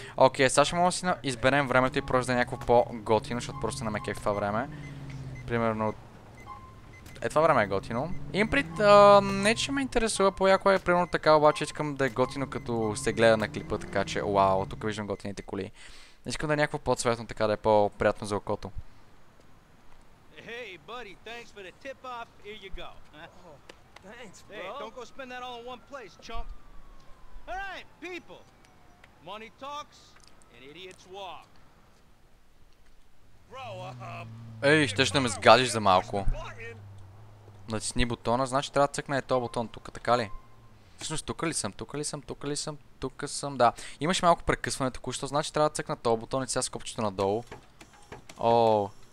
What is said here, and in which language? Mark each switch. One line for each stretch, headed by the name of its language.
Bulgarian: Окей, сега ще мога да си изберем времето и просто да е някакво по-готино, защото просто не ме кефи това време. Примерно... Е, това време е готино. Имприт, не че ме интересува, по-яко е примерно така, обаче искам да е готино като се гледа на клипа, така че уау, тук виждам готините коли. Искам да е някакво по-цветно, така да е по-приятно за окото.
English: Hey, buddy, thanks for the tip off. Here you go. Oh, thanks, bro. Hey, don't go spend that all in one place, chump. All right, people. Money talks and idiots walk. Grow up.
Bulgarian: Ей, щеш да ме сгадиш за малко. Натисни бутона, значи трябва да цъкна е този бутон тук, така ли? Всъщност тук ли съм, тук ли съм, тук ли съм, тук съм, да. Имаш малко прекъсване току-що, значи трябва да цъкна този бутон и сега с копчето надолу. Оо.